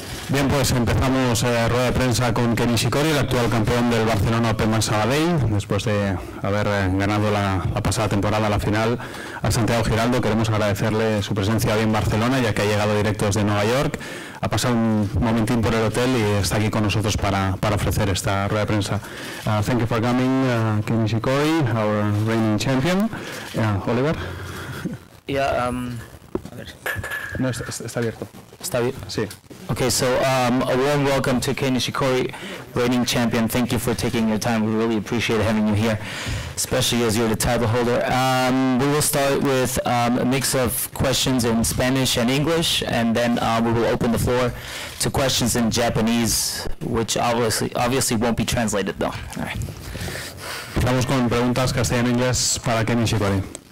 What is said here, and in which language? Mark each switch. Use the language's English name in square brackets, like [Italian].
[Spanish] Bien, pues empezamos la rueda de prensa con Kei Nishikori, el actual campeón del Barcelona Open Bank Sabadell, después de haber ganado la pasada temporada la final a Santiago Giraldo. Queremos agradecerle su presencia hoy en Barcelona, ya que ha llegado directo desde Nueva York. Ha pasado un momentín por el hotel y está aquí con nosotros para ofrecer esta rueda de prensa. [English] Thank you for coming, Kei Nishikori, our reigning champion. Oliver. [Spanish] Yeah, a ver. No, está abierto. Está bien. Sí. [English] Okay, so a warm welcome to Kei Nishikori, reigning champion. Thank you for taking your time. We really appreciate having you here, especially as you're the title holder. We will start with a mix of questions in Spanish and English, and then we will open the floor to questions in Japanese, which obviously won't be translated, though. All right. [Spanish] Vamos con preguntas castellano-inglés para Kei Nishikori.